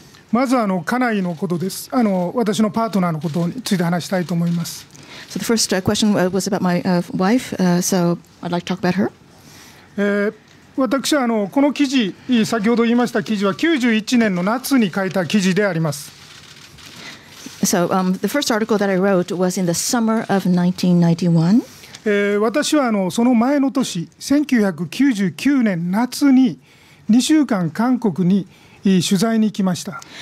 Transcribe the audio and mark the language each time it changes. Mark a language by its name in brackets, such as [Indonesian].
[Japanese] まずあの家内のことです。あの私のパートナーのことについて話したいと思います。 [English] So the first question was about my wife. So I'd like to talk about her. [Japanese] 私はあのこの記事、先ほど言いました記事は91年の夏に書いた記事であります。 [English] So the first article that I wrote was in the summer of 1991. [Japanese] 私はあのその前の年、1999年夏に2週間韓国に取材に行きました。